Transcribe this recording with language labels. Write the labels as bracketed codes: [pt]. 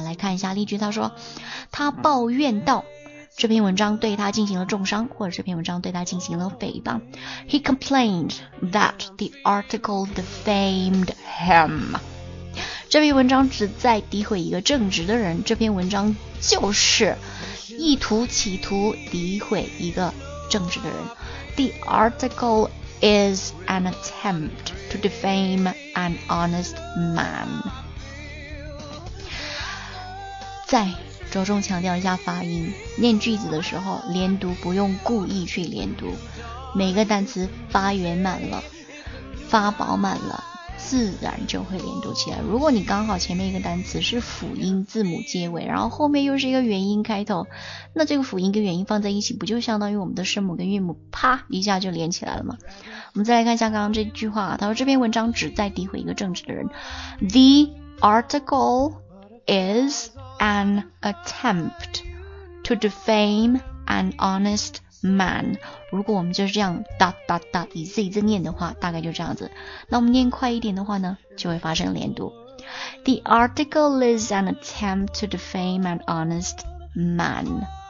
[zh] 来看一下例句，他说他抱怨道这篇文章对他进行了重伤，或者这篇文章对他进行了诽谤。 [en] He complained that the article defamed him. [zh] 这篇文章旨在诋毁一个正直的人，这篇文章就是意图企图诋毁一个正直的人。 [en] The article is an attempt to defame an honest man. [zh] 再着重强调一下发音，念句子的时候连读不用故意去连读，每个单词发圆满了，发饱满了，自然就会连读起来。如果你刚好前面一个单词是辅音字母结尾，然后后面又是一个元音开头，那这个辅音跟元音放在一起，不就相当于我们的声母跟韵母啪一下就连起来了吗？我们再来看一下刚刚这句话，他说这篇文章旨在诋毁一个正直的人。 [en] The article is an attempt to defame an honest man. [zh] 如果我们就是这样哒哒哒一字一字念的话，大概就这样子。那我们念快一点的话呢，就会发生连读。 [en] The article is an attempt to defame an honest man.